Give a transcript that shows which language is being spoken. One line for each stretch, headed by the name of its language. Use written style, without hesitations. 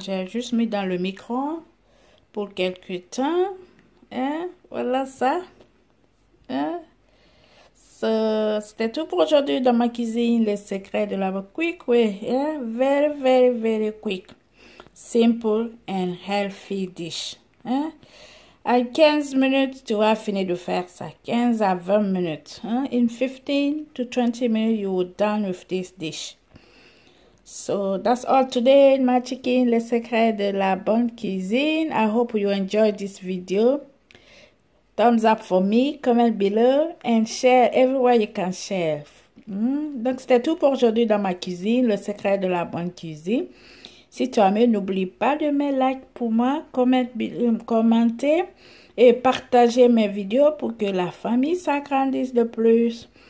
French: J'ai juste mis dans le micro pour quelques temps. Hein? Voilà ça. Hein? So, c'était tout pour aujourd'hui dans ma cuisine, les secrets de la
English: quick way. Hein? Very, very, very quick. Simple and healthy dish. Hein?
French: À 15 minutes, tu vas finir de faire ça. 15 à 20 minutes. Hein?
English: In 15 to 20 minutes, you are done with this dish. So that's all today, my chicken,
French: les secrets de la bonne cuisine.
English: I hope you enjoyed this video. Thumbs up for me, comment below, and share everywhere you can share.
French: Donc, c'était tout pour aujourd'hui dans ma cuisine, le secret de la bonne cuisine. Si tu as aimé, n'oublie pas de mettre like pour moi, commenter et partager mes vidéos pour que la famille s'agrandisse de plus.